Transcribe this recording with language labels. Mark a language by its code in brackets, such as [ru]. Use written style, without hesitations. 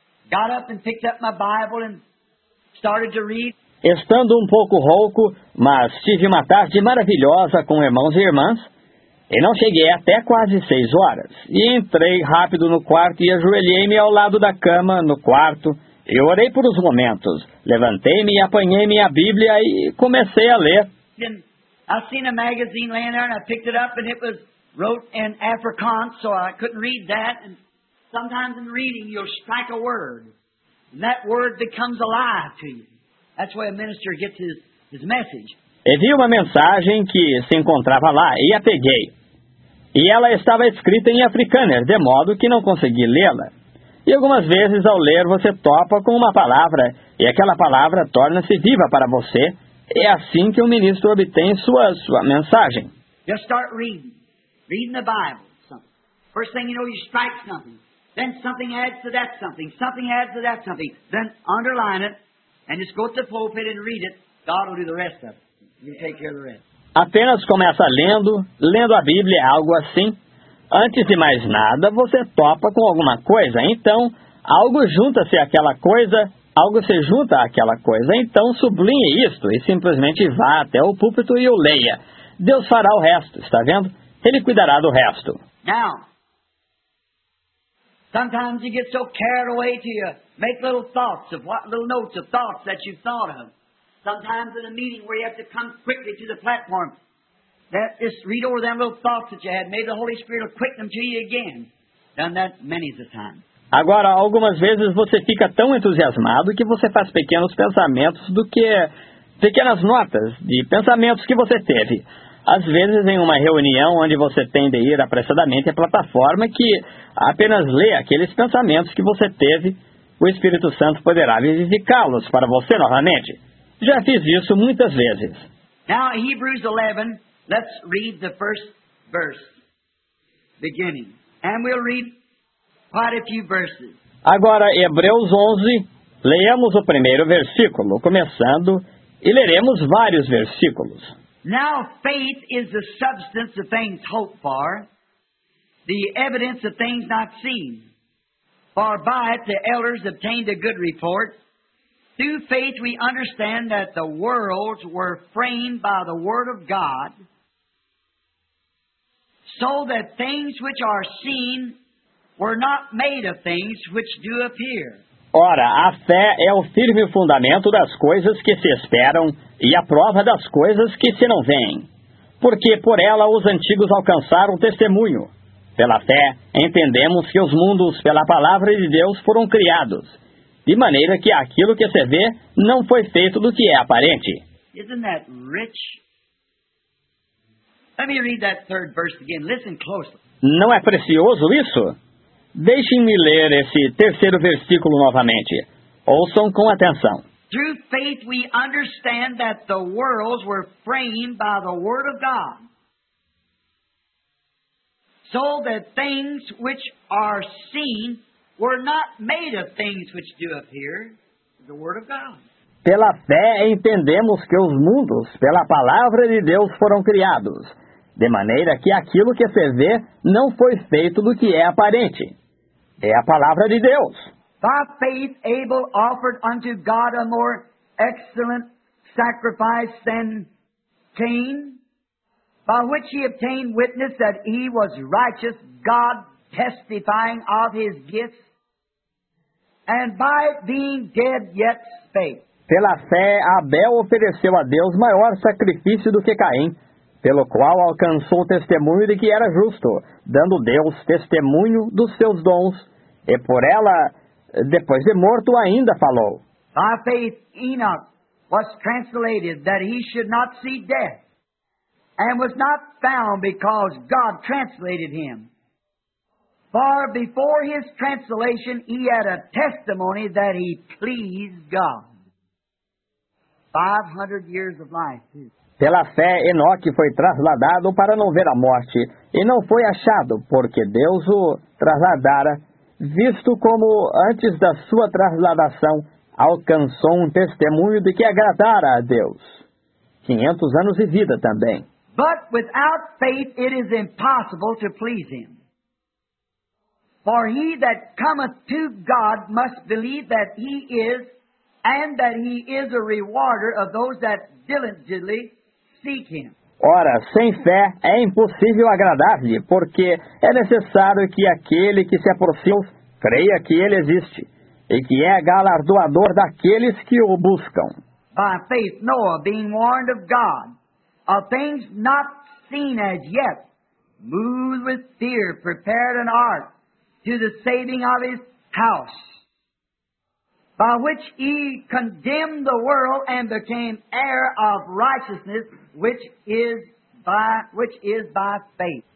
[en] Got up and picked up my Bible and started to read. [pt] Estando pouco rouco, mas tive uma tarde maravilhosa com irmãos e irmãs, e não cheguei até quase 6 horas. E entrei rápido no quarto e ajoelhei-me ao lado da cama no quarto. E orei por uns momentos. Levantei-me e apanhei minha Bíblia e comecei a ler. [en] And I seen a magazine laying there and I picked it up and it was wrote in Afrikaans, so I couldn't read that. And sometimes in reading you'll strike a word and that word becomes alive to you. That's why a minister gets his message. [pt] E vi uma mensagem que se encontrava lá e a peguei. E ela estava escrita em Afrikaner, de modo que não consegui lê-la. E algumas vezes ao ler você topa com uma palavra e aquela palavra torna-se viva para você. É assim que o ministro obtém sua mensagem. [en] Just start reading the Bible. Something. First thing you know, you strike something. Then something adds to that something. Something adds to that something. Then underline it and just go to the pulpit and read it. God will do the rest of it. You take care of the rest. [pt] Apenas começa lendo a Bíblia, algo assim. Antes de mais nada, você topa com alguma coisa. Então, algo junta-se àquela coisa. Algo se junta àquela coisa, então sublinhe isto e simplesmente vá até o púlpito e o leia. Deus fará o resto, está vendo? Ele cuidará do resto. [en] Now, sometimes you get so carried away to you, make little thoughts of what little notes of thoughts that you thought of. Sometimes in a meeting where you have to come quickly to the platform, that just read over them little thoughts that you had. May the Holy Spirit will quicken them to you again. Done that many a time. [pt] Agora, algumas vezes você fica tão entusiasmado que você faz pequenos pensamentos do que... pequenas notas de pensamentos que você teve. Às vezes, em uma reunião onde você tem de ir apressadamente à plataforma que apenas lê aqueles pensamentos que você teve, o Espírito Santo poderá vivificá-los para você novamente. Já fiz isso muitas vezes. [en] Now, Hebrews 11, let's read the first verse, beginning. And we'll read... quite a few verses. [pt] Agora, Hebreus 11, leamos o primeiro versículo, começando, e leremos vários versículos. [en] Now, faith is the substance of things hoped for, the evidence of things not seen. For by it the elders obtained a good report. Through faith we understand that the worlds were framed by the word of God, so that things which are seen were not made of things which do appear. [pt] Ora, a fé é o firme fundamento das coisas que se esperam e a prova das coisas que se não veem. Porque por ela os antigos alcançaram testemunho. Pela fé, entendemos que os mundos, pela palavra de Deus, foram criados, de maneira que aquilo que se vê não foi feito do que é aparente. [en] Isn't that rich? Let me read that third verse again. Listen closely. [pt] Não é precioso isso? Deixem-me ler esse terceiro versículo novamente. Ouçam com atenção. [en] Through faith we understand that the worlds were framed by the word of God, so that things which are seen were not made of things which do appear, the word of God. [pt] Pela fé entendemos que os mundos, pela palavra de Deus, foram criados, de maneira que aquilo que se vê não foi feito do que é aparente. É a palavra de Deus. [en] By faith, Abel offered unto God a more excellent sacrifice than Cain, by which he obtained witness that he was righteous, God testifying of his gifts, and by being dead yet spake. [pt] Pela fé, Abel ofereceu a Deus maior sacrifício do que Caim, pelo qual alcançou testemunho de que era justo, dando Deus testemunho dos seus dons. E por ela, depois de morto, ainda falou. [en] By faith Enoch was translated that he should not see death, and was not found because God translated him. For before his translation, he had a testimony that he pleased God. 500 years of life. [pt] Pela fé, Enoque foi trasladado para não ver a morte, e não foi achado, porque Deus o trasladara, visto como, antes da sua trasladação, alcançou um testemunho de que agradara a Deus. 500 anos de vida também. [en] But without faith it is impossible to please him. For he that cometh to God must believe that he is, and that he is a rewarder of those that diligently seek him. [pt] Ora, sem fé é impossível agradar-lhe, porque é necessário que aquele que se aproxima creia que ele existe, e que é galardoador daqueles que o buscam. [en] By faith, Noah, being warned of God, of things not seen as yet, moved with fear, prepared an ark to the saving of his house, by which he condemned the world and became heir of righteousness, which is by faith.